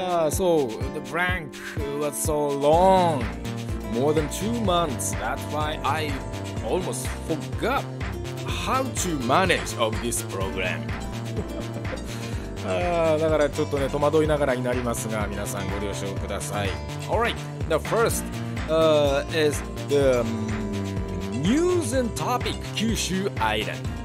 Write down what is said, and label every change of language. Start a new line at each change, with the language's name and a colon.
English: So the blank was so long, more than 2 months. That's why I almost forgot how to manage of this program.
Japanese: だからちょっとね戸惑いながらになりますが、皆さんご了承ください。
English: Alright, the first is the news and topic Kyushu Island.